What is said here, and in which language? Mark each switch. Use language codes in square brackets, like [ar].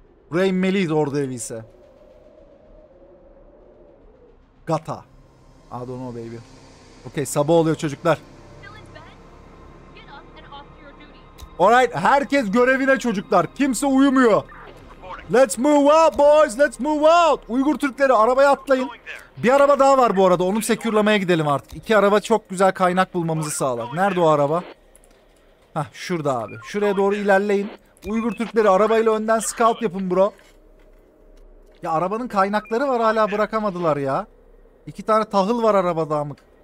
[tr] Buraya inmeliyiz Ordu Evi ise. [en] Gata. I don't know baby. [tr] Okay, sabah oluyor çocuklar. Alright, herkes görevine çocuklar. Kimse uyumuyor. [en] Let's move out boys, let's move out. [tr] Uygur Türkleri, arabaya atlayın. Bir araba daha var bu arada, onu sekürlamaya gidelim artık. İki araba çok güzel kaynak bulmamızı sağlar. Nerede o araba? Hah, şurada abi. Şuraya doğru ilerleyin. Uygur Türkleri, arabayla önden scout yapın bro. Ya arabanın kaynakları var, hala bırakamadılar ya. İki tane tahıl var arabada amık.